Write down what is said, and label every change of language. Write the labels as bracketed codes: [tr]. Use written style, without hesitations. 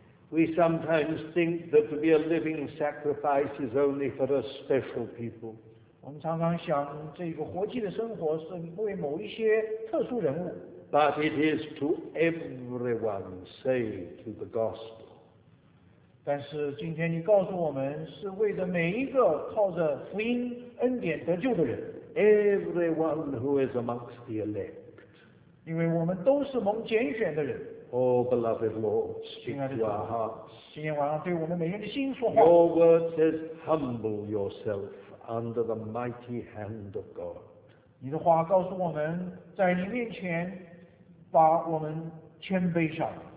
[en] We sometimes think that to be a living sacrifice is only for a special people. [zh] 我们常常想这个活祭的生活是为某一些特殊人物。 [en] But it is to everyone saved through the gospel. [zh] 但是今天你告诉我们是为着每一个靠着福音恩典得救的人。 [en] Everyone who is amongst the elect. [zh] 因为我们都是蒙拣选的人。 [en] Oh, beloved Lord, speak to our hearts. [zh] 今天晚上对我们每人的心说话。 [en] Your word says, humble yourself under the mighty hand of God. [zh] 你的话告诉我们，在你面前把我们谦卑下来。